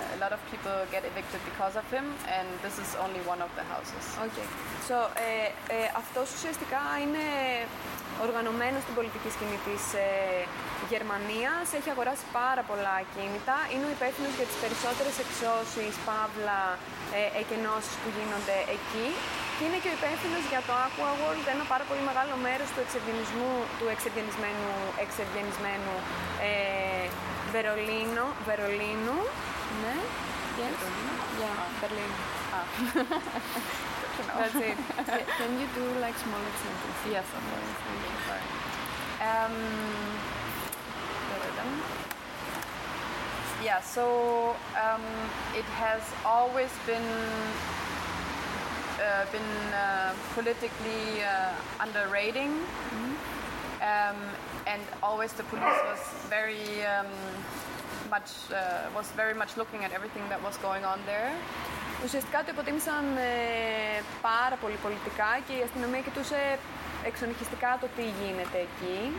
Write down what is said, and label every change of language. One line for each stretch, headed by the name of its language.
English: A lot of people get evicted because of him, and this is only one of the houses. Okay.
Greek: So αυτός ουσιαστικά είναι οργανωμένος στην πολιτική σκηνή της Γερμανίας. Έχει αγοράσει πάρα πολλά ακίνητα. Είναι ο υπεύθυνος για τις περισσότερες εξώσεις, παύλα, εκενώσεις που γίνονται εκεί. Και είναι και ο υπεύθυνος για το Aqua World, ένα πάρα πολύ μεγάλο μέρος του εξευγενισμένου Βερολίνου. Ναι.
English: Yes. Yeah, Berlin. Ah. That's it. Can you do like smaller sentences? Yes, I'm sorry. Yeah, so it has always been politically underrating, mm-hmm. And always the police was very much looking at everything that was going on there.
Greek: Ουσιαστικά το υποτίμησαν πάρα πολύ πολιτικά και η αστυνομία κοιτούσε εξονυχιστικά το τι γίνεται εκεί.